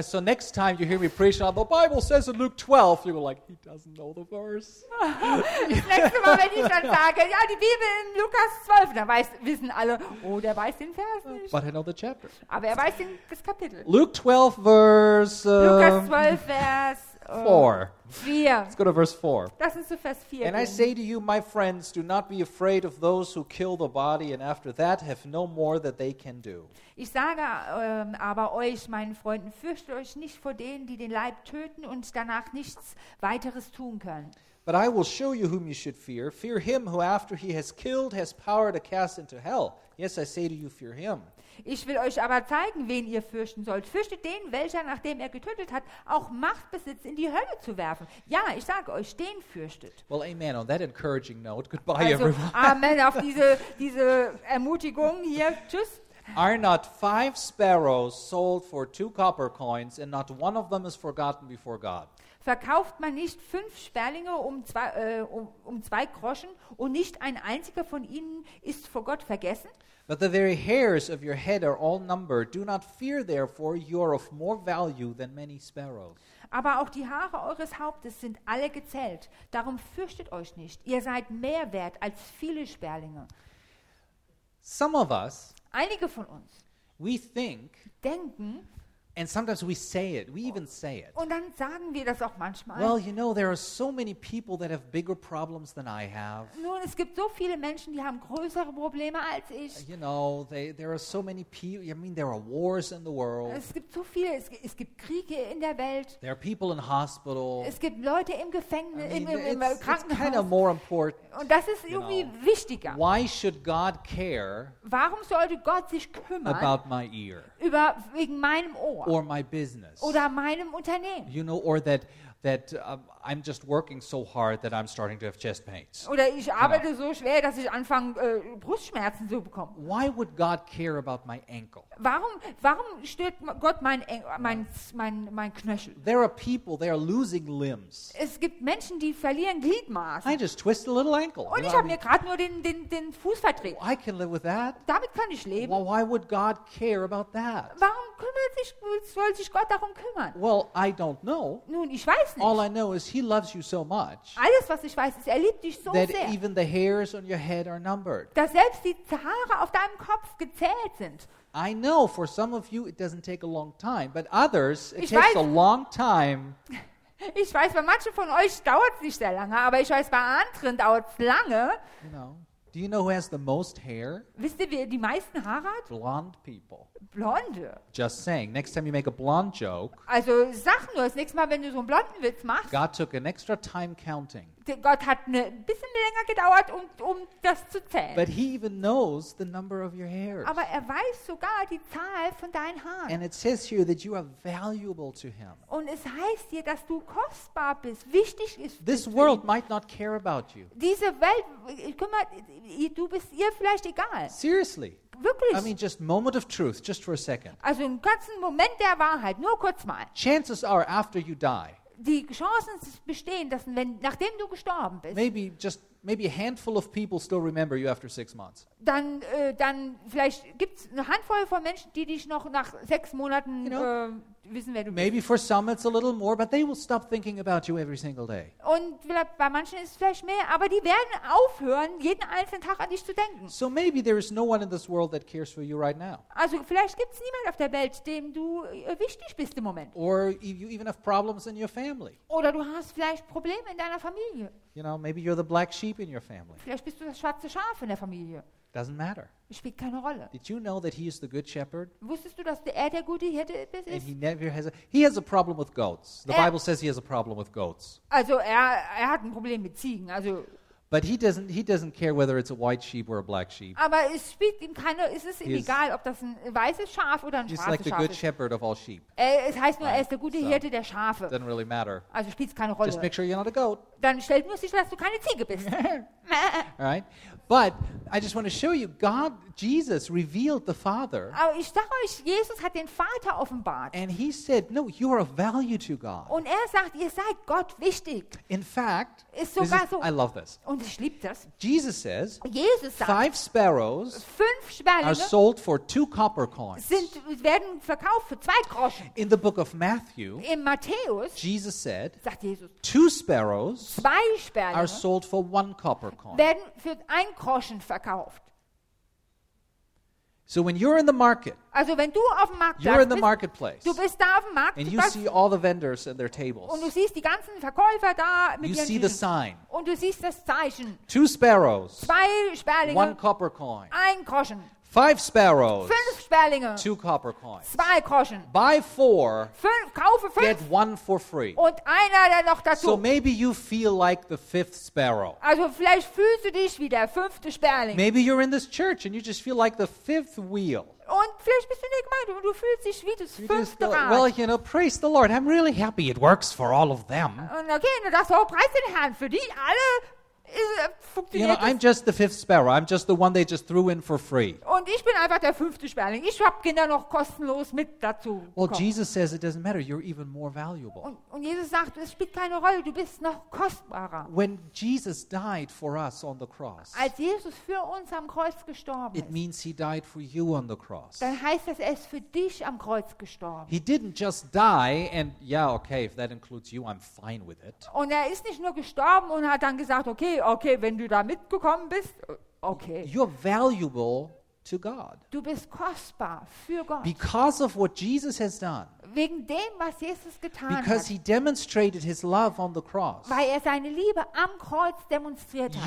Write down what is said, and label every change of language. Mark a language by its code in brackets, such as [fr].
[en] So next time you hear me preach on the Bible says in Luke 12, you're like, he doesn't know the verse. [de] Nächste Mal, wenn ich dann sage, ja, die Bibel in Lukas 12, dann wissen alle, oh, der weiß den Vers nicht. [en] But I know the chapter. [de] Aber er weiß das Kapitel. [en] Luke 12, verse. [de] Lukas 12, Vers. 4. [en] Let's go to verse 4. [de] Das ist zu Vers 4. [en] And I say to you, my friends, do not be afraid of those who kill the body and after that have no more that they can do. [de] Ich sage aber euch, meinen Freunden, fürchtet euch nicht vor denen, die den Leib töten und danach nichts weiteres tun können. [en] But I will show you whom you should fear. Fear him who after he has killed has power to cast into hell. Yes, I say to you, fear him. [de] Ich will euch aber zeigen, wen ihr fürchten sollt. Fürchtet den, welcher, nachdem er getötet hat, auch Macht besitzt, in die Hölle zu werfen. Ja, ich sage euch, den fürchtet. [en] Well, amen on that encouraging note. Goodbye, also, everyone. [de] Amen auf diese Ermutigung hier. Tschüss. [en] Are not 5 sparrows sold for 2 copper coins and not one of them is forgotten before God? [de] Verkauft man nicht 5 Sperlinge um 2 Groschen und nicht ein einziger von ihnen ist vor Gott vergessen? [en] But the very hairs of your head are all numbered. Do not fear, therefore, you are of more value than many sparrows. [de] Aber auch die Haare eures Hauptes sind alle gezählt. Darum fürchtet euch nicht. Ihr seid mehr wert als viele Sperlinge. [en] Some of us, [de] einige von uns, [en] we think, [de] denken, [en] and sometimes we say it, we even say it. [de] Und dann sagen wir das auch manchmal. [en] Well, you know, there are so many people that have bigger problems than I have. [de] Nun, es gibt so viele Menschen, die haben größere Probleme als ich. [en] You know, there are so many people, I mean, there are wars in the world. [de] Es gibt so viele, es gibt Kriege in der Welt. [en] There are people in hospital. [de] Es gibt Leute im Gefängnis, im Krankenhaus. [en] It's kind of more important. [de] Und das ist irgendwie wichtiger. [en] Why should God care? [de] Warum sollte Gott sich kümmern? [en] About my ear. [de] Wegen meinem Ohr. [en] Or my business. [de] Oder meinem Unternehmen. [en] You know, or that I'm just working so hard that I'm starting to have chest pains. [de] Oder ich arbeite so schwer, dass ich anfange Brustschmerzen zu bekommen. [en] Why would God care about my ankle? [de] Warum stört Gott mein Knöchel? [en] There are people, they are losing limbs. [de] Es gibt Menschen, die verlieren Gliedmaßen. [en] I just twist a little ankle. [de] Und ich habe mir gerade nur den Fuß verdreht. [en] I can live with that. [de] Damit kann ich leben. [en] Well, why would God care about that? [de] Warum soll sich Gott darum kümmern? [en] Well, I don't know. [de] Nun, ich weiß. [en] All I know is he loves you so much. [de] Alles was ich weiß ist, er liebt dich so [en] that [de] sehr. [en] Even the hairs on your head are numbered. [de] Dass selbst die Haare auf deinem Kopf gezählt sind. [en] I know for some of you it doesn't take a long time, but others it takes a long time. [de] Ich weiß, bei manchen von euch dauert es nicht sehr lange, aber ich weiß, bei anderen dauert es lange. [en] You know, do you know who has the most hair? [de] Wisst ihr, wer die meisten Haare hat? [en] Blonde people. [de] Blonde. [en] Just saying, next time you make a blonde joke. [de] Also sag nur, das nächste Mal, wenn du so einen blonden Witz machst. [en] God took an extra time counting. [de] Gott hat ein bisschen länger gedauert, um das zu zählen. [en] But he even knows the number of your hairs. [de] Aber er weiß sogar die Zahl von deinen Haaren. [en] And it says here that you are valuable to him. [de] Und es heißt hier, dass du kostbar bist, wichtig ist. [en] This world might not care about you. [de] Diese Welt, guck mal, du bist ihr vielleicht egal. [en] Seriously. [de] Wirklich? [en] I mean, just moment of truth, just for a second. [de] Also einen kurzen Moment der Wahrheit, nur kurz mal. [en] Chances are, after you die. [de] Die Chancen bestehen, dass wenn nachdem du gestorben bist. [en] Maybe a handful of people still remember you after 6 months. [de] Dann vielleicht gibt's eine Handvoll von Menschen, die dich noch nach 6 Monaten wissen, wer du bist. [en] Maybe for some it's a little more, but they will stop thinking about you every single day. [de] Und vielleicht bei manchen ist es vielleicht mehr, aber die werden aufhören, jeden einzelnen Tag an dich zu denken. [en] So maybe there is no one in this world that cares for you right now. [de] Also vielleicht gibt's niemand auf der Welt, dem du wichtig bist im Moment. [en] Or you even have problems in your family. [de] Oder du hast vielleicht Probleme in deiner Familie. [en] You know, maybe you're the black sheep in your family. [de] Vielleicht bist du das schwarze Schaf in der Familie. [en] Doesn't matter. [de] Spielt keine Rolle. [en] Did you know that he is the good shepherd? [de] Wusstest du, dass er der gute Hirte ist? [en] And he never has a problem with goats. The Bible says he has a problem with goats. [de] Also er hat ein Problem mit Ziegen. Also. [en] But he doesn't care whether it's a white sheep or a black sheep. [de] Aber es spielt ihm keine, es ist ihm egal, ob das ein weißes Schaf oder ein schwarzes Schaf ist. [en] He's like the good shepherd of all sheep. [de] Es heißt nur, er ist der gute Hirte der Schafe. [en] Doesn't really matter. [de] Also spielt's keine Rolle. [en] Just make sure you're not a goat. [de] Dann stellt nur sicher, dass du keine Ziege bist. [en] Right? But I just want to show you, God, Jesus revealed the Father. [de] Aber ich sag euch, Jesus hat den Vater offenbart. [en] And he said, no, you are of value to God. [de] Und er sagt, ihr seid Gott wichtig. [en] In fact, [de] ist sogar so, [en] I love this. [de] Und ich lieb das. [en] Jesus says, [de] Jesus sagt, [en] 5 sparrows are sold for 2 copper coins. [de] Werden verkauft für 2 Groschen. [en] In the book of Matthew, [de] in Matthäus, [en] Jesus said, [de] sagt Jesus, [en] 2 sparrows [de] 2 Sperlinge [en] are sold for 1 copper coin. [de] Werden für 1 Groschen verkauft. [en] So when you're in the market, [de] also wenn du auf dem Markt [en] you're [de] bist, [en] in the marketplace, [de] du bist da auf dem Markt, [en] and you see all the vendors at their tables, [de] und du siehst die ganzen Verkäufer da mit [en] you [de] ihren [en] see [de] Tischen, [en] the sign, [de] und du siehst das Zeichen, [en] 2 sparrows [de] 2 Sperlinge [en] 1 copper coin [de] 1 Groschen [en] 5 sparrows [de] 5 Sperlinge [en] 2 copper coins [de] 2 Groschen [en] buy 4 [de] 5, kaufe 5 [en] get 1 for free [de] und einer der noch dazu. [en] So maybe you feel like the 5th sparrow. [de] Also vielleicht fühlst du dich wie der 5. Sperling. [en] Maybe you're in this church and you just feel like the 5th wheel. [de] Und vielleicht bist du in der Gemeinde und du fühlst dich wie das 5. Rad. [en] Well, you know, praise the Lord, I'm really happy it works for all of them. [de] Und okay, na das so, preis den Herrn für die alle. [en] You know, I'm just the fifth sparrow. I'm just the one they just threw in for free. [de] Und ich bin einfach der fünfte Sperling. Ich habe Kinder noch kostenlos mit dazu bekommen. [en] Well, Jesus says it doesn't matter. You're even more valuable. [de] Und Jesus sagt, es spielt keine Rolle. Du bist noch kostbarer. [en] When Jesus died for us on the cross, [de] als Jesus für uns am Kreuz gestorben ist, [en] it means he died for you on the cross. [de] Dann heißt das, er ist für dich am Kreuz gestorben. [en] He didn't just die and yeah, okay, if that includes you, I'm fine with it. [de] Und er ist nicht nur gestorben und hat dann gesagt, okay, wenn du da mitgekommen bist, okay. [en] You're valuable to God. [de] Du bist kostbar für Gott. [en] Because of what Jesus has done. [de] Wegen dem, was Jesus getan hat. [en] Because he demonstrated his love on the cross. [de] Weil er seine Liebe am Kreuz demonstriert hat.